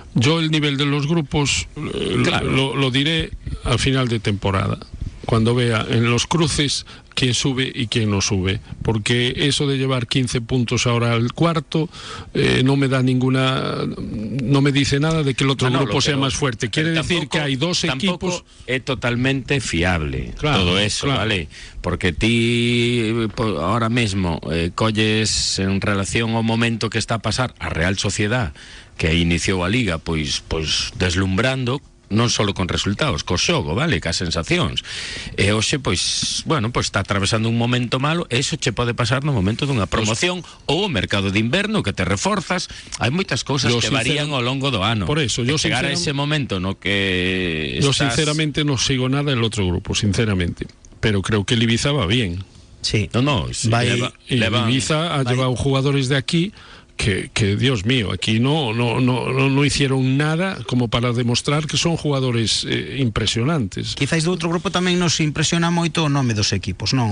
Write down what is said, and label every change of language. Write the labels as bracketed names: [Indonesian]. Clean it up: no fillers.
[Spanish] Yo el nivel de los grupos lo diré al final de temporada, cuando vea en los cruces quién sube y quién no sube, porque eso de llevar 15 puntos ahora al cuarto no me dice nada de que el otro grupo sea más fuerte. Quiere decir que hay dos equipos... Tampoco es totalmente fiable, claro, todo eso, claro. ¿Vale? [Galician] Porque ti ahora mismo colles en relación ao momento que está a pasar a Real Sociedad, que iniciou a Liga, pois deslumbrando, non só con resultados, co xogo, vale, cas sensacións. E hoxe, pois está atravesando un momento malo, e iso che pode pasar no momento dunha promoción ou o mercado de inverno, que te reforzas. Hai moitas cousas que varían ao longo do ano. [Spanish] Por eso, [Galician] chegar a ese momento no que [Spanish] Sinceramente [Galician] non sigo nada [Spanish] el outro grupo, sinceramente. Pero creo que el Ibiza va bien. Sí. No, no. Sí, y Ibiza ha llevado jugadores de aquí que Dios mío, aquí no hicieron nada como para demostrar que son jugadores impresionantes. [Galician] Quizáis do outro grupo tamén nos impresiona moito o nome dos equipos, non?